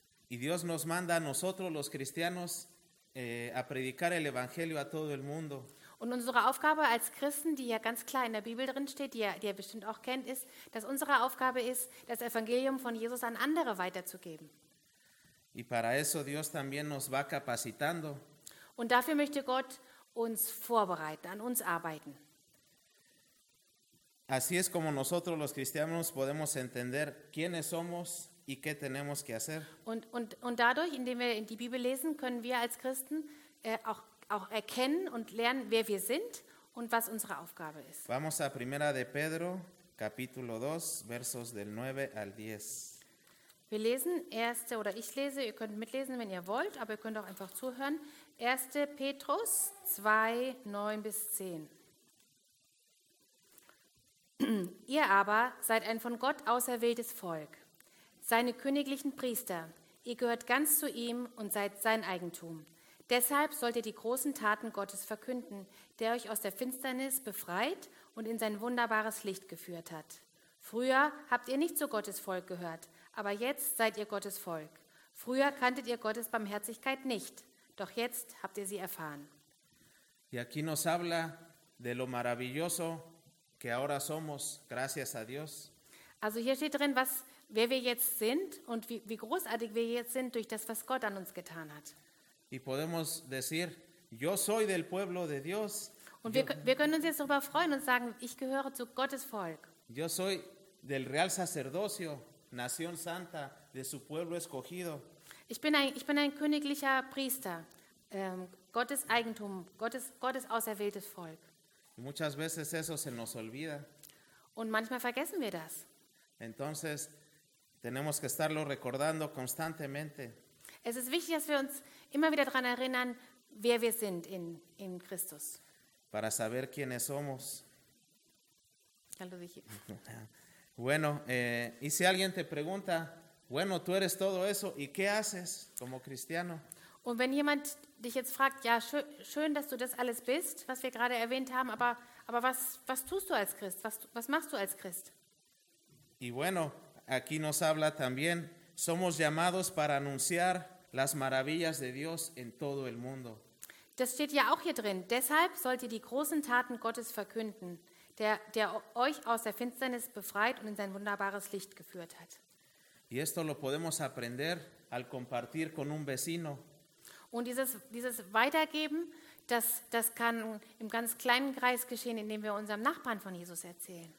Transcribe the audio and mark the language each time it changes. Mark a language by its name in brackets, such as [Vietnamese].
[Spanish] Y Dios nos manda a nosotros los cristianos a predicar el evangelio a todo el mundo. [German] Und unsere Aufgabe als Christen, die ja ganz klar in der Bibel drin steht, die ihr bestimmt auch kennt, ist, dass unsere Aufgabe ist, das Evangelium von Jesus an andere weiterzugeben. [Spanish] Y para eso Dios también nos va capacitando. [German] Und dafür möchte Gott uns vorbereiten, an uns arbeiten. [Spanish] Así es como nosotros los cristianos podemos entender quiénes somos y qué tenemos que hacer. [German] Und dadurch, indem wir die Bibel lesen, können wir als Christen auch erkennen und lernen, wer wir sind und was unsere Aufgabe ist. [Spanish] Vamos a Primera de Pedro, capítulo 2, versos del 9 al 10. [German] Wir lesen erste, oder ich lese, ihr könnt mitlesen, wenn ihr wollt, aber ihr könnt auch einfach zuhören. 1. Petrus 2, 9 bis 10. Ihr aber seid ein von Gott auserwähltes Volk, seine königlichen Priester. Ihr gehört ganz zu ihm und seid sein Eigentum. Deshalb sollt ihr die großen Taten Gottes verkünden, der euch aus der Finsternis befreit und in sein wunderbares Licht geführt hat. Früher habt ihr nicht zu Gottes Volk gehört, aber jetzt seid ihr Gottes Volk. Früher kanntet ihr Gottes Barmherzigkeit nicht, doch jetzt habt ihr sie erfahren. [Spanish] Y aquí nos habla de lo maravilloso que ahora somos, gracias a Dios. [German] Also hier steht drin, wer wir jetzt sind und wie großartig wir jetzt sind durch das, was Gott an uns getan hat. [Spanish] Y podemos decir, yo soy del pueblo de Dios. [German] Und wir können uns jetzt darüber freuen und sagen, ich gehöre zu Gottes Volk. [Spanish] Yo soy del real sacerdocio. Nación santa de su pueblo escogido. [German] Ich bin ein königlicher Priester, Gottes Eigentum, Gottes auserwähltes Volk. [Spanish] Y muchas veces eso se nos olvida. [German] Und manchmal vergessen wir das. [Spanish] Entonces, tenemos que estarlo recordando constantemente. [German] Es ist wichtig, dass wir uns immer wieder daran erinnern, wer wir sind in Christus. [Spanish] Para saber quiénes somos. Ya lo dije. Bueno, y si alguien te pregunta, bueno, tú eres todo eso, ¿y qué haces como cristiano? [German] Und wenn jemand dich jetzt fragt, ja, schön, dass du das alles bist, was wir gerade erwähnt haben, aber was tust du als Christ? Was machst du als Christ? [Spanish] Y bueno, aquí nos habla también, somos llamados para anunciar las maravillas de Dios en todo el mundo. [German] Das steht ja auch hier drin. Deshalb sollt ihr die großen Taten Gottes verkünden, der euch aus der Finsternis befreit und in sein wunderbares Licht geführt hat. [Spanish] Y esto lo podemos aprender al compartir con un vecino. [German] Und dieses Weitergeben, das kann im ganz kleinen Kreis geschehen, indem wir unserem Nachbarn von Jesus erzählen.